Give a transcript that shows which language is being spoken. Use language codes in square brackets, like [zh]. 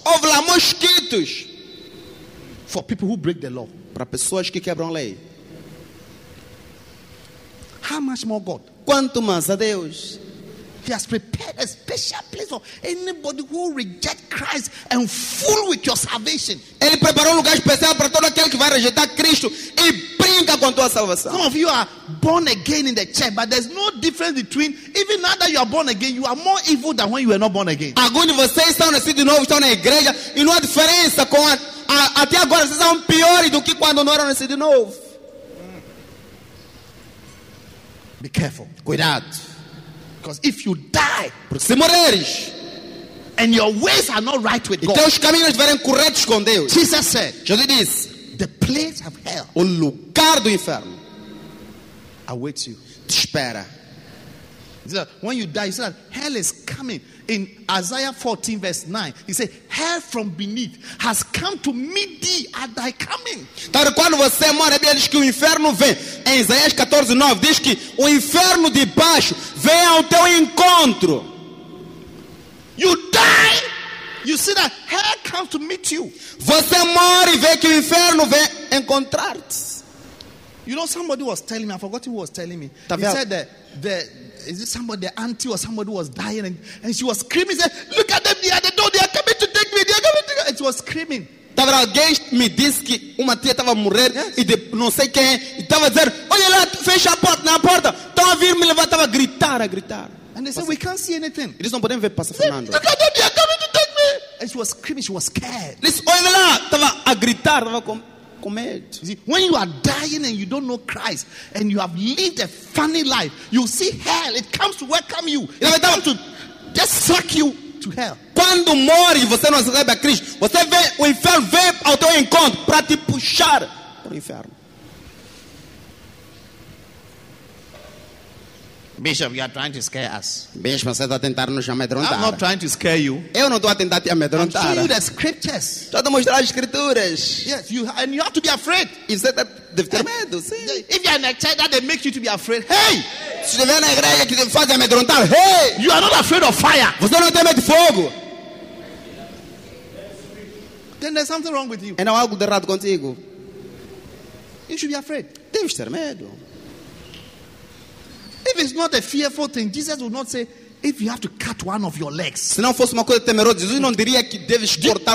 [pt] Houve lá mosquitos. [en] For people who break the law. [pt] Para pessoas que quebram a lei. [en] How much more God? [pt] Quanto mais a Deus? [en] He has prepared a special place for anybody who reject Christ and fool with your salvation. [pt] Ele preparou um lugar especial para todo aquele que vai rejeitar Cristo e brinca com tua salvação. [en] Some of you are born again in the church, but there's no difference between even now that you are born again, you are more evil than when you were not born again. [pt] Agora de vocês estão nascidos de novo, estão na igreja e não há diferença com até agora vocês são piores do que quando não eram nascidos de novo. [en] Be careful. [pt] Cuidado. [en] Because if you die, [pt] porque se morreres, [en] and your ways are not right with God, [pt] e teus caminhos estiverem corretos com Deus, [en] Jesus said, [pt] Jesus diz, [en] the place of hell, [pt] o lugar do inferno, [en] awaits you. [pt] Te espera. [en] So when you die, he said, hell is coming. In Isaiah 14, verse 9, he said, hell from beneath has come to meet thee at thy coming. [pt] Então, quando você morre, ele diz que o inferno vem. Em Isaías 14, 9, diz que o inferno de baixo vem ao teu encontro. [en] You die, you see that hell comes to meet you. [pt] Você morre e vê que o inferno vem encontrar-te. [en] You know, somebody was telling me, I forgot who was telling me. He said that is it somebody, the auntie or somebody was dying and she was screaming, said, look at them near the door, they are coming to take me, they are coming to take me. And she was screaming. [pt] Tava alguém me disse que uma tia estava morrendo, yes. E de, não sei quem, e tava dizendo, olha lá, fecha a porta, na porta, estão a vir me levar, tava a gritar. [en] And they said, we can't see anything. [pt] Eles não podem ver, Pastor Fernando. [en] Look at them, they are coming to take me. And she was screaming, she was scared. [pt] Disse, olha lá, tava a gritar, tava com... [en] You see, when you are dying and you don't know Christ and you have lived a funny life, you see hell, it comes to welcome you. It comes to just suck you to hell. [pt] Quando morre, você não recebe a Cristo. Você vê o inferno, vê ao teu encontro para te puxar para o inferno. [en] Bishop, you are trying to scare us. [pt] Bishop, você está tentando nos amedrontar. [en] I'm not trying to scare you. [pt] Eu não estou a tentar te amedrontar. [en] I'm showing you the scriptures. [pt] Estou a mostrar as escrituras. [en] Yes, you and you have to be afraid. [pt] E você deve ter medo, sim. [en] If you are in a church that they make you to be afraid, hey! [pt] Se estiver na igreja que te faz amedrontar, hey! [en] You are not afraid of fire. [pt] Você não tem medo de fogo. [en] Then there's something wrong with you. [pt] E não há algo de errado contigo. [en] You should be afraid. [pt] Deves ter medo. [en] If it's not a fearful thing, Jesus would not say, if you have to cut one of your legs. [pt] Se não fosse uma coisa temerosa, Jesus não diria que deves cortar